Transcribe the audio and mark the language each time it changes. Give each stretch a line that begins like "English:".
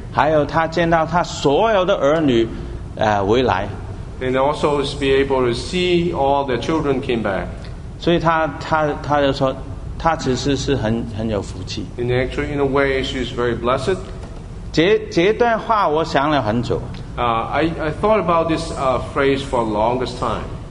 Chinese: 还有他见到他所有的儿女。回来,
English: and also be able to see all the children came back.
Chinese: 所以他就说，他其实是很有福气。
English: And actually, in a way, she's very blessed.
Chinese: 这段话我想了很久。
English: I thought about this phrase for the longest time.